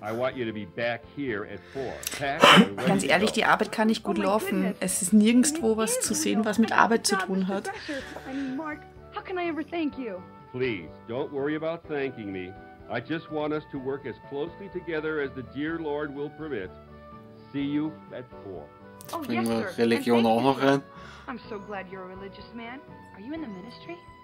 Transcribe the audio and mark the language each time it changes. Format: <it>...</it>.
<en>I want you to be back here at 4.</en> <de>Ganz ehrlich, die Arbeit kann nicht gut laufen. Es ist nirgendwo was zu sehen, was mit Arbeit zu tun hat.</de> <en>I mean, Mark, how can I ever thank you? Please, don't worry about thanking me. I just want us to work as closely together as the dear Lord will permit. See you at 4. Oh, yes, sir.</en> <de>Religion auch noch rein.</de> <en>I'm so glad you're a religious man. Are you in the ministry?</en>